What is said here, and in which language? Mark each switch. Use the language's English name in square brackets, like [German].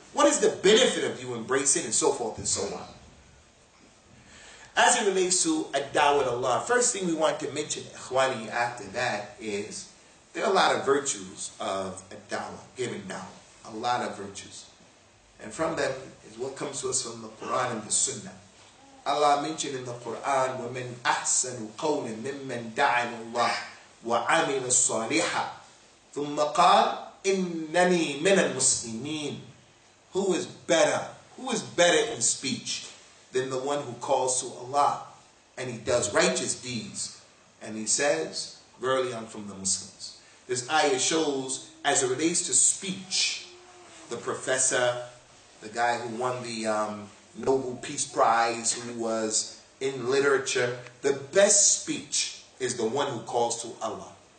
[English] What is the benefit of you embracing and so forth and so on? As it relates to a da'wah with Allah, first thing we want to mention, ikhwani, after that is there are a lot of virtues of a da'wah, giving da'wah. A lot of virtues. And from them is what comes to us from the Quran and the Sunnah. Allah mentioned in the Quran, [Arabic] وَمَنْ أَحْسَنُ قَوْلٍ مِمَّنْ دَعَنُ اللَّهِ وَعَمِلَ الصَّالِحًا ثُمَّ قَالْ إِنَّنِي مِنَ الْمُسْلِمِينَ. [English] Who is better? Who is better in speech than the one who calls to Allah and he does righteous deeds and he says, verily I'm from the Muslims. This ayah shows, as it relates to speech, the professor, the guy who won the Nobel Peace Prize, who was in literature, the best speech is the one who calls to Allah.